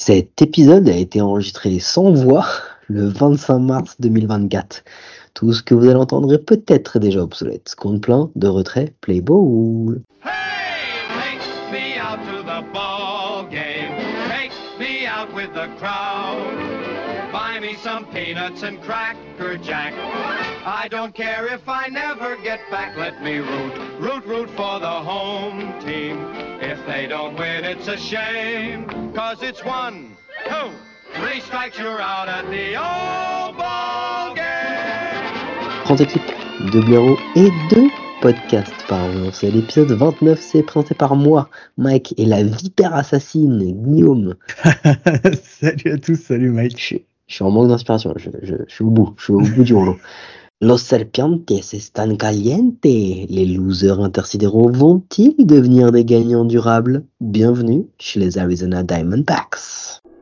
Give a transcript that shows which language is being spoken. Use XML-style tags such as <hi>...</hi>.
<fr>Cet épisode a été enregistré sans voix le 25 mars 2024. Tout ce que vous allez entendre est peut-être déjà obsolète. Compte plein de retraits,</fr> <en>play ball. Hey, take me out to the ball game. Take me out with the crowd. Buy me some peanuts and cracker jack. I don't care if I never get back. Let me root, root, root for the home team. If they don't win, it's a shame. Cause it's one, two, three strikes, you're out at the old ball game.</en> <fr>Grande équipe, deux bureaux et deux podcasts par jour. C'est l'épisode 29, c'est présenté par moi, Mike, et la vipère assassine, Guillaume. Salut à tous, salut Mike. Je suis en manque d'inspiration, je suis au bout du rouleau.</fr> <es>Los serpientes están calientes.</es> <fr>Les losers intersidéraux vont-ils devenir des gagnants durables? Bienvenue chez les Arizona Diamondbacks.</fr>